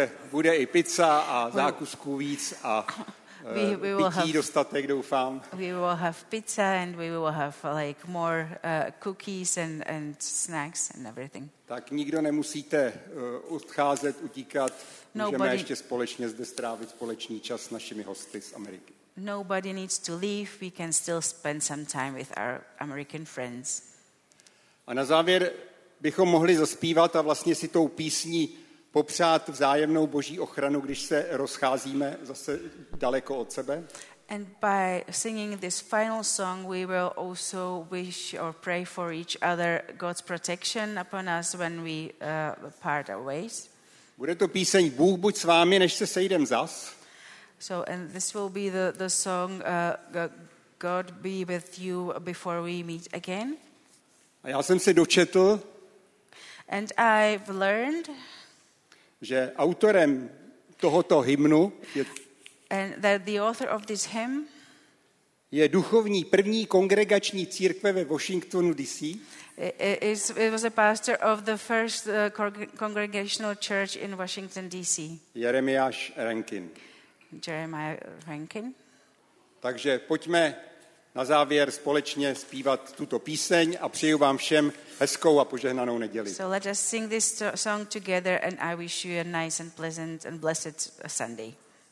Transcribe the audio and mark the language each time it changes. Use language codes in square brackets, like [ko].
[cs] Bude i pizza a zákusků víc a pití dostatek, doufám. [en] We will have pizza and we will have like more cookies and snacks and everything. [cs] Tak nikdo nemusíte odcházet, utíkat. [en] Nobody. [cs] Můžeme ještě společně zde strávit společný čas s našimi hosty z Ameriky. [en] Nobody needs to leave. We can still spend some time with our American friends. [cs] A na závěr bychom mohli zaspívat a vlastně si tou písní popřát vzájemnou Boží ochranu, když se rozcházíme zase daleko od sebe. [en] And by singing this final song, we will also wish or pray for each other God's protection upon us when we part our ways. [cs] Bude to píseň Bůh buď s vámi, než se sejdem zas. [en] So and this will be the song God be with you before we meet again. [cs] A já jsem se dočetl, [en] and I've learned, [cs] že autorem tohoto hymnu je, [en] and that the author of this hymn, [cs] je duchovní první kongregační církve ve Washingtonu DC. [en] It was a pastor of the first congregational church in Washington DC. [cs] Jeremiáš Rankin. [en] Jeremiah Rankin. [cs] Takže pojďme na závěr společně zpívat tuto píseň a přeju vám všem hezkou a požehnanou neděli. [en] So let us sing this song together and I wish you a nice and pleasant and blessed Sunday.